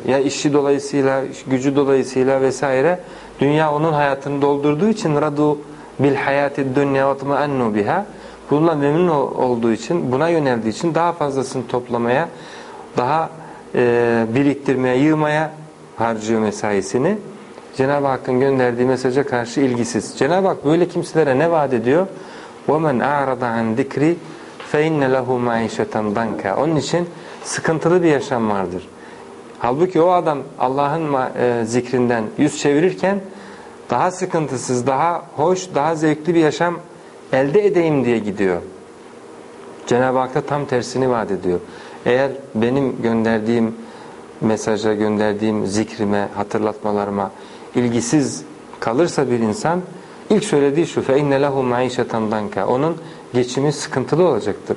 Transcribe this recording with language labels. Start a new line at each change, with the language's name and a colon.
Turkish: Ya işi dolayısıyla, gücü dolayısıyla vesaire. Dünya onun hayatını doldurduğu için
Arabic: radu bil hayati dünya ve tmeennu biha.
Turkish: Bununla memnun olduğu için, buna yöneldiği için daha fazlasını toplamaya, daha biriktirmeye, yığmaya harcıyor mesaisini. Cenab-ı Hakk'ın gönderdiği mesaja karşı ilgisiz. Cenab-ı Hak böyle kimselere ne vaat ediyor?
Arabic: وَمَنْ اَعْرَضَ عَنْ ذِكْرِ فَاِنَّ لَهُ مَعِيشَةً دَنْكَ
Turkish: Onun için sıkıntılı bir yaşam vardır. Halbuki o adam Allah'ın zikrinden yüz çevirirken daha sıkıntısız, daha hoş, daha zevkli bir yaşam elde edeyim diye gidiyor. Cenab-ı Hak da tam tersini vaat ediyor. Eğer benim gönderdiğim mesaja, gönderdiğim zikrime, hatırlatmalarıma ilgisiz kalırsa bir insan, ilk söylediği şu,
Arabic: فَاِنَّ لَهُ مَعِيشَةً دَنْكَ
Turkish: Onun geçimi sıkıntılı olacaktır.